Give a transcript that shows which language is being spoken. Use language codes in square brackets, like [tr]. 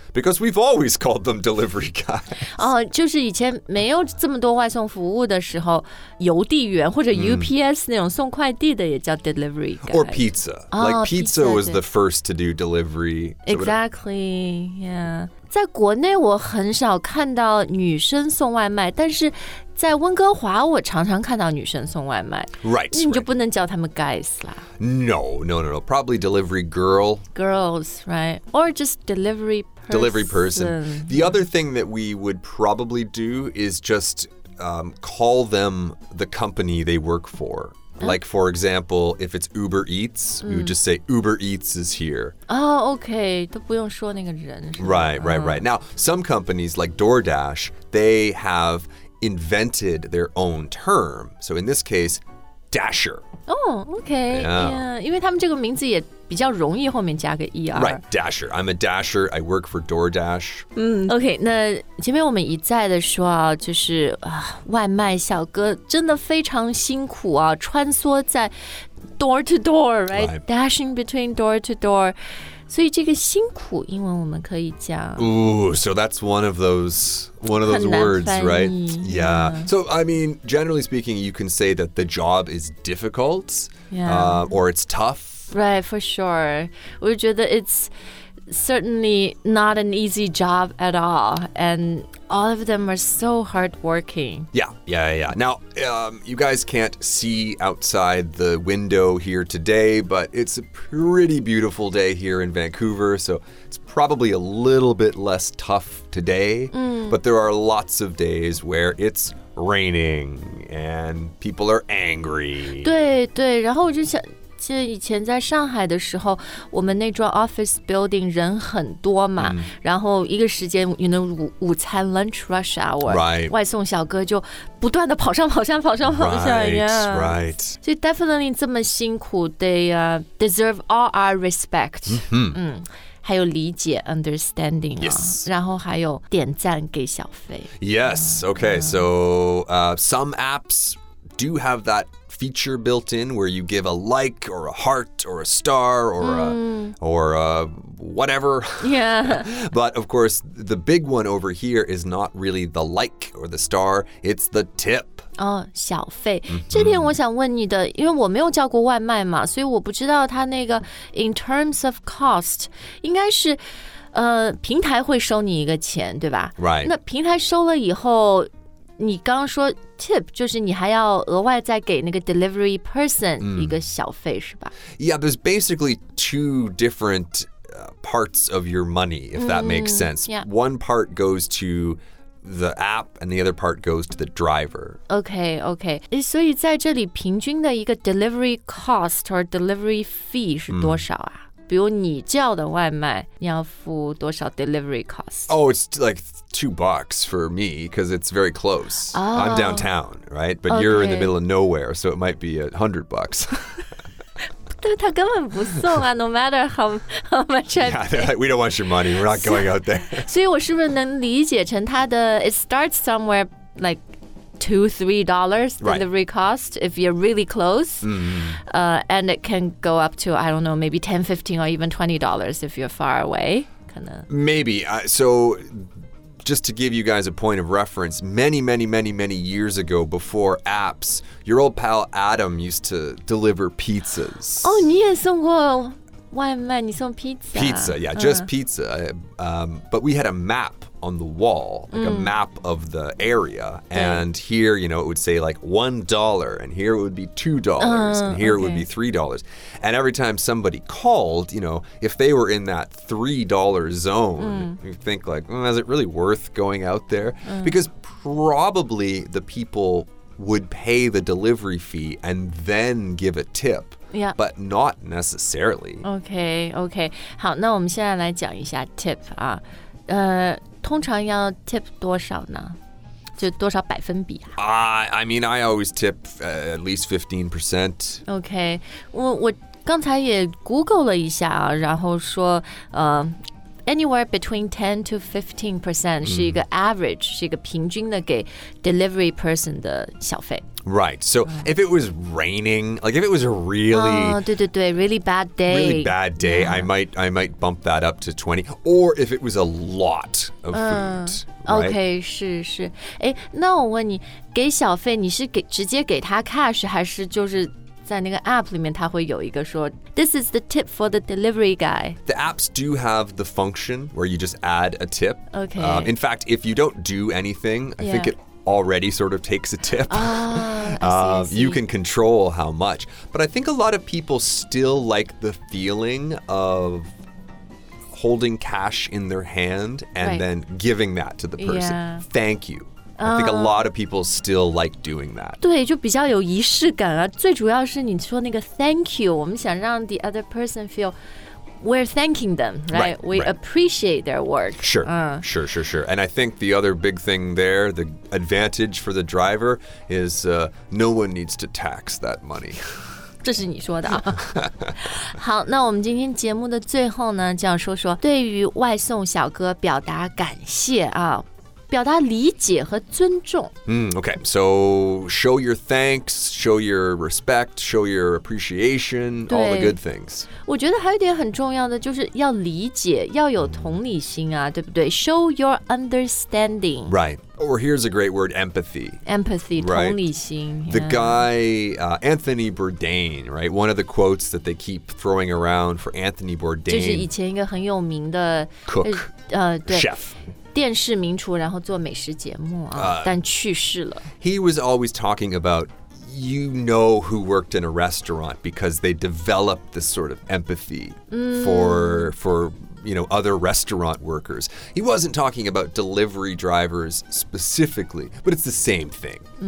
[en] Because we've always called them delivery guys. [zh] 就是以前没有这么多外送服务的时候，邮递员或者 UPS 那种送快递的也叫 [en] delivery guy. Or pizza. Like pizza was the first to do delivery. Exactly, yeah. [zh] 在国内我很少看到女生送外卖，但是在温哥华我常常看到女生送外卖。 [en] Right. [zh] 那你就不能叫他们 guys 啦。 [en] No. Probably delivery girl. Girls, right. Or just delivery person. Delivery person. The other thing that we would probably do is just call them the company they work for. Like, for example, if it's Uber Eats, we would just say Uber Eats is here. Oh, okay. [zh] 都不用说那个人。 [en] Right. Now, some companies like DoorDash, they have invented their own term. So in this case, Dasher. Oh, okay. Yeah. [zh] 因为他们这个名字也比较容易后面加个 ER. [en] Right, Dasher. I'm a Dasher. I work for DoorDash. [zh] Okay, 那前面我们一再的说啊，就是外卖小哥真的非常辛苦啊，穿梭在 [en] door to door, right? Dashing between door to door. [zh] 所以这个辛苦英文我们可以讲。 [en] Ooh, so that's one of those words, right? Yeah. So, I mean, generally speaking, you can say that the job is difficult, or it's tough. Right, for sure. [zh] 我觉得 [en] it's certainly not an easy job at all. And all of them are so hardworking. Yeah. Now, you guys can't see outside the window here today, but it's a pretty beautiful day here in Vancouver. So it's probably a little bit less tough today. But there are lots of days where it's raining and people are angry. [zh] 对，然后我就想就以前在上海的时候，我们那幢 [en] office building [zh] 人很多嘛，然后一个时间 [en] you know, [zh] 午餐 [en] lunch rush hour、 right. [zh] 外送小哥就不断的跑上跑下 [en] right. [zh] 所以 [en] definitely [zh] 这么辛苦 [en] they deserve all our respect、 mm-hmm. [zh] 还有理解 [en] understanding、 yes. [zh] 啊、然后还有点赞给小飞 [en] yes、嗯、okay、嗯、so、some apps do have thatfeature built in where you give a like or a heart or a star or、mm. or whatever. Yeah. But of course, the big one over here is not really the like or the star. It's the tip. Oh, [zh] 小费、 [en] mm-hmm. [zh] 这点我想问你的，因为我没有叫过外卖嘛，所以我不知道它那个 [en] in terms of cost [zh] 应该是平台会收你一个钱，对吧？ [en] Right. [zh] 那平台收了以后你刚刚说 tip 就是你还要额外再给那个 [en] delivery person [zh] 一个小费、mm. 是吧 [en] Yeah, there's basically two different、parts of your money, if that、mm. makes sense.、 Yeah. One part goes to the app and the other part goes to the driver. Okay, okay. [zh] 所以在这里平均的一个 [en] delivery cost or delivery fee [zh] 是多少啊、mm. 比如你叫的外卖你要付多少 [en] delivery cost? Oh, it's like $2 for me because it's very close.、 Oh. I'm downtown, right? But、okay. you're in the middle of nowhere, so it might be $100. [zh] 对他根本不送啊 [en] no matter how much I pay. Yeah, they're like, we don't want your money. We're not going out there. [zh] 所以我是不是能理解成他的 [en] it starts somewhere like $2-3 delivery、 right. cost if you're really close、 mm-hmm. And it can go up to I don't know maybe $10-15 or even $20 if you're far away kind of maybe、so just to give you guys a point of reference many years ago before apps your old pal Adam used to deliver pizzas [zh] oh 你也送过外卖你送 pizza [en] pizza yeah、uh-huh. just pizza but we had a mapon the wall, like、mm. a map of the area. And、 yeah. here, you know, it would say like $1, and here it would be $2, and here、 okay. it would be $3. And every time somebody called, you know, if they were in that $3 zone,、mm. you think like,、mm, is it really worth going out there?、 Mm. Because probably the people would pay the delivery fee and then give a tip. Yeah. But not necessarily. Okay, okay. [zh] 好，那我们现在来讲一下 tip 啊。通常要 tip 多少呢？就多少百分比啊？ [en] I mean, I always tip at least 15%. Okay. [zh] 我刚才也 Google 了一下啊，然后说 [en] anywhere between 10 to 15%、 [zh] mm. 是一个 [en] average, [zh] 是一个平均的给 [en] delivery person [zh] 的小费。 [en] Right, so、 right. if it was raining, like if it was a really,、 [zh] 对对对 [en] really bad day, really bad day、yeah. I might bump that up to 20, or if it was a lot of food,、right? [zh] Okay, 是是，哎，那我问你，给小费你是给直接给他 [en] cash [zh] 还是就是在那个 app 里面他会有一个说 [en] this is the tip for the delivery guy? The apps do have the function where you just add a tip. Okay.、 In fact, if you don't do anything, I、 yeah. think it already sort of takes a tip. I see. You can control how much. But I think a lot of people still like the feeling of holding cash in their hand and、 right. then giving that to the person.、 Yeah. Thank you.、I think a lot of people still like doing that. [zh] 对就比较有仪式感啊最主要是你说那个 [en] thank you, [zh] 我们想让 [en] the other person feel... We're thanking them, right? Right we right. appreciate their work. Sure,、sure, sure, sure. And I think the other big thing there, the advantage for the driver, is、no one needs to tax that money. [zh] 这是你说的、啊、好那我们今天节目的最后呢就要说说对于外送小哥表达感谢啊表达理解和尊重。 [en] Okay, so show your thanks, show your respect, show your appreciation, all the good things. [zh] 我觉得还有一点很重要的就是要理解，要有同理心啊，对不对？ [en] Show your understanding. Right. Or here's a great word, empathy. Empathy, right? [zh] 同理心。 [en] The、 yeah. guy,、Anthony Bourdain, right? One of the quotes that they keep throwing around for Anthony Bourdain. [zh] 就是以前一个很有名的 [en] cook, [zh] 对 [en] chef. [zh] 电视名厨然后做美食节目啊、但去世了。 [en] He was always talking about, you know who worked in a restaurant because they developed this sort of empathy、for, you know, other restaurant workers. He wasn't talking about delivery drivers specifically, but it's the same thing.、